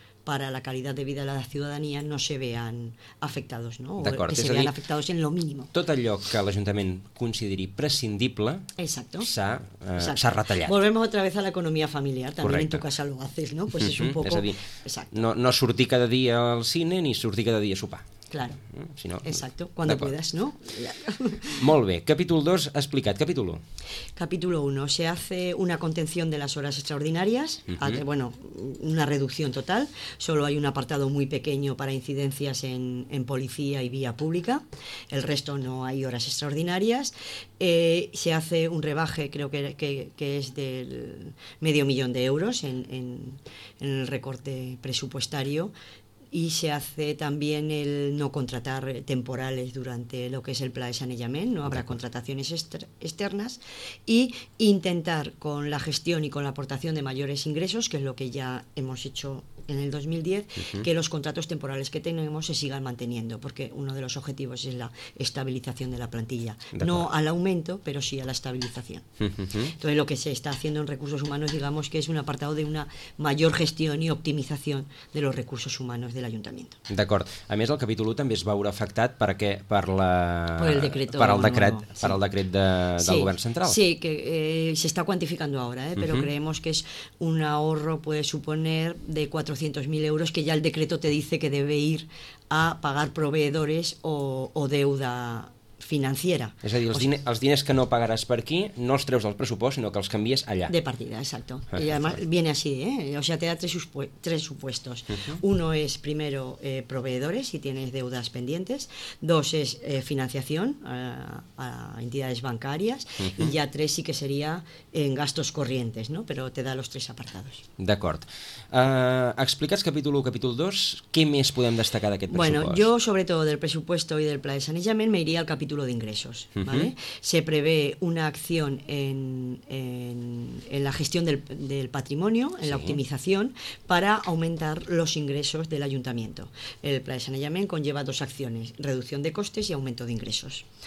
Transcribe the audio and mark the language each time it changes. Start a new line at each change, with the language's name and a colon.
Spanish: para la calidad de vida de la ciudadanía no se vean afectados, ¿no?
Catalan: D'acord,
Spanish: o que se vean afectados en lo mínimo.
Catalan: Tot allò que l'Ajuntament consideri prescindible s'ha retallat.
Spanish: Volvemos otra vez a la economía familiar, también. Correcte. En tu casa lo haces, ¿no? Pues es un poco...
Catalan: És a dir, no sortir cada dia al cine ni sortir cada dia a sopar.
Spanish: Claro, sino... exacto, cuando puedas, ¿no?
Catalan: Molt bé, capítol 2 explicat, capítol 1.
Spanish: Capítol 1, se hace una contención de las horas extraordinarias, bueno, una reducción total, solo hay un apartado muy pequeño para incidencias en policía y vía pública, el resto no hay horas extraordinarias, se hace un rebaje, creo que es del 500.000 euros en el recorte presupuestario, y se hace también el no contratar temporales durante lo que es el Pla de Sanejament, no habrá contrataciones externas, y intentar con la gestión y con la aportación de mayores ingresos, que es lo que ya hemos hecho en el 2010, que los contratos temporales que tenemos se sigan manteniendo, porque uno de los objetivos es la estabilización de la plantilla. No al aumento, pero sí a la estabilización. Entonces, lo que se está haciendo en recursos humanos, digamos que es un apartado de una mayor gestión y optimización de los recursos humanos del ayuntamiento.
Catalan: D'acord. A més, el capítol 1 també es veurà afectat perquè per el decret del govern central.
Spanish: Sí, que se está cuantificando ahora, pero creemos que es un ahorro, puede suponer, de 400.000 euros, que ya el decreto te dice que debe ir a pagar proveedores o deuda financiera.
Catalan: És a dir, els diners que no pagaràs per aquí no els treus del pressupost, sinó que els canvies allà.
Spanish: De partida, exacto. Y además viene así, ¿eh? O sea, te da tres supuestos. Uno es, primero, proveedores, si tienes deudas pendientes. Dos es financiación a entidades bancarias. Y ya tres sí que sería en gastos corrientes, ¿no? Pero te da los tres apartados.
Catalan: D'acord. Explicats capítol 1, capítol 2, ¿qué més podem destacar d'aquest pressupost?
Spanish: Bueno, yo, sobre todo del presupuesto y del Pla de Sanejament, me iría al capítol título de ingresos, ¿vale? Se prevé una acción en la gestión del patrimonio, en la optimización, para aumentar los ingresos del ayuntamiento. El Pla de Sanejament conlleva dos acciones, reducción de costes y aumento de ingresos.